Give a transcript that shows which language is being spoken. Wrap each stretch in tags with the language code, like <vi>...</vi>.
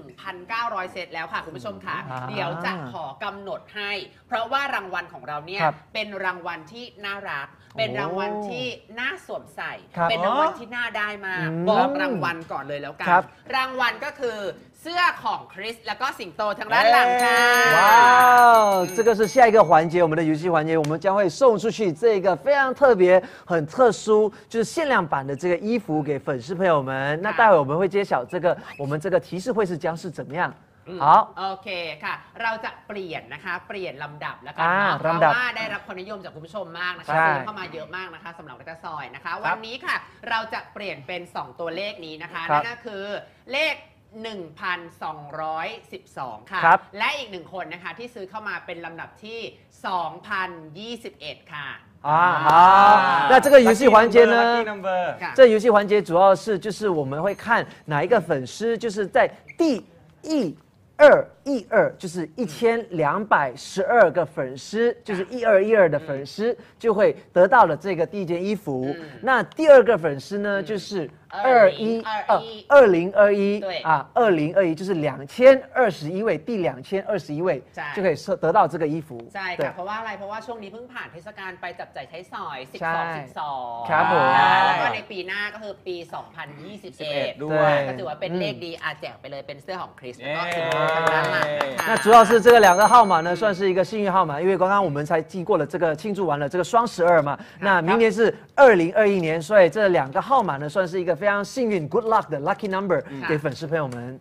<th>1,900 เซตแล้วค่ะคุณผู้ชมค่ะเดี๋ยวจะขอกำหนดให้เพราะว่ารางวัลของเราเนี่ยเป็นรางวัลที่น่ารักเป็นรางวัลที่น่าสวมใส่ เป็นรางวัลที่น่าได้มากบอกรางวัลก่อนเลยแล้วกัน รางวัลก็คือเสื้อของคริสแล้วก็สิงโตทางด้านหลังค่ะ</th> <zh>ว้าว这个是下一个环节我们的游戏环节我们将会送出去这个非常特别很特殊就是限量版的这个衣服给粉丝朋友们那待会我们会揭晓这个我们这个提示会是将是怎么样好</zh> <th>โอเคค่ะเราจะเปลี่ยนนะคะเปลี่ยนลำดับแล้วกัน เพราะว่าได้รับความนิยมจากคุณผู้ชมมากนะคะซื้อเข้ามาเยอะมากนะคะสำหรับกระซอยนะคะวันนี้ค่ะเราจะเปลี่ยนเป็น2ตัวเลขนี้นะคะน นก็คือเลข1212 ค่ะ ครับ และอีกหนึ่งคนนะคะที่ซื้อเข้ามาเป็นลำดับที่2021ค่ะ</th> <zh>好，那这个游戏环节呢？</zh> <en>Lucky number, lucky number.</en> <zh>这游戏环节主要是就是我们会看哪一个粉丝就是在第一二一二就是1212个粉丝，就是一二一二的粉丝就会得到了这个第一件衣服。那第二个粉丝呢，就是2021，对啊，2021就是2021位，第2021位就可以得到这个衣服。</zh> <th>ใช่ค่ะเพราะว่าอะไรเพราะว่าช่วงนี้เพิ่งผ่านเทศกาลไปจับจ่ายใช้สอย12 12 ครับผม แล้วก็ในปีหน้าก็คือปี2021 ด้วย ก็ถือว่าเป็นเลขดีอาแจกไปเลยเป็นเสื้อของคริสก็คือ</th> <zh>那主要是这个两个号码呢，算是一个幸运号码，因为刚刚我们才经过了这个庆祝完了这个双十二嘛，那明年是2021年，所以这两个号码呢，算是一个非常幸运</zh> <en>good luck</en> <zh>的 lucky number 给粉丝朋友们。</zh>